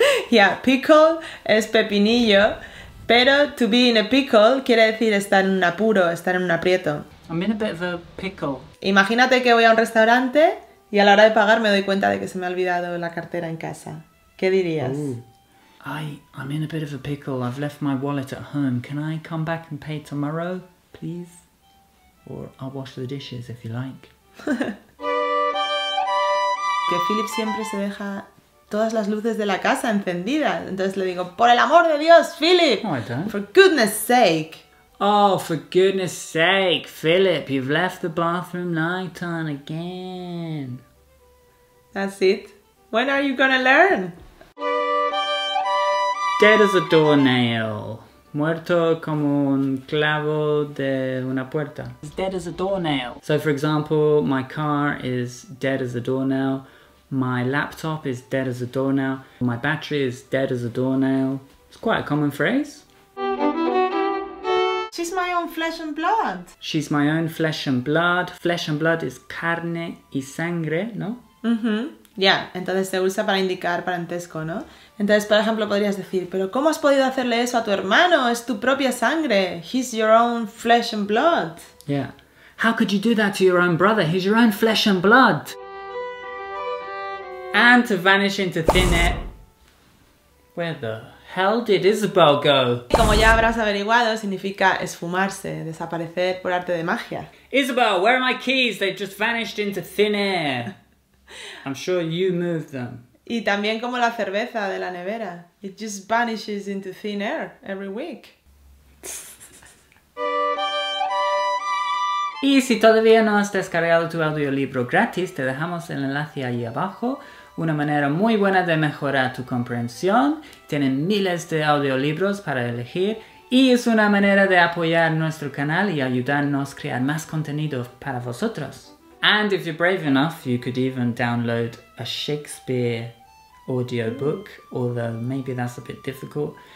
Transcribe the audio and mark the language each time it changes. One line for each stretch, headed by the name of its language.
Spanish: Yeah, pickle es pepinillo, pero
English: to be in a pickle
Spanish: quiere decir estar en un apuro, estar en un aprieto.
English: I'm in a bit of a pickle.
Spanish: Imagínate que voy a un restaurante y a la hora de pagar me doy cuenta de que se me ha olvidado la cartera en casa. ¿Qué dirías?
English: I'm in a bit of a pickle. I've left my wallet at home. Can I come back and pay tomorrow, please? Or I'll wash the dishes if you like.
Spanish: Que Philip siempre se deja todas las luces de la casa encendidas. Entonces le digo, por el amor de Dios, Philip.
English: No, I don't. For goodness sake. Oh, for goodness sake, Philip. You've left the bathroom light on again. That's it. When are you gonna learn? Dead as a doornail.
Spanish: Muerto como un clavo de una puerta.
English: It's dead as a doornail. So, for example, my car is dead as a doornail. My laptop is dead as a doornail. My battery is dead as a doornail. It's quite a common phrase. She's my own flesh and blood. She's my own flesh and blood. Flesh and blood is
Spanish: carne y sangre, ¿no? Mm-hmm. Yeah, entonces se usa para indicar parentesco, ¿no? Entonces, por ejemplo, podrías decir, ¿pero cómo has podido hacerle eso a tu hermano? Es tu propia sangre.
English: He's your own flesh and blood. Yeah. How could you do that to your own brother? He's your own flesh and blood. And to vanish into thin air. Where the hell did Isabel go?
Spanish: Como ya habrás averiguado, significa esfumarse, desaparecer por arte de magia.
English: Isabel, where are my keys? They've just vanished into thin air. I'm sure you moved them.
Spanish: Y también como la cerveza de la nevera.
English: It just vanishes into thin air every week.
Spanish: Y si todavía no has descargado tu audiolibro gratis, te dejamos el enlace ahí abajo. Una manera muy buena de mejorar tu comprensión. Tienen miles de audiolibros para elegir. Y es una manera de apoyar nuestro canal y ayudarnos a crear más contenido para vosotros.
English: And if you're brave enough, you could even download a Shakespeare audiobook, although maybe that's a bit difficult.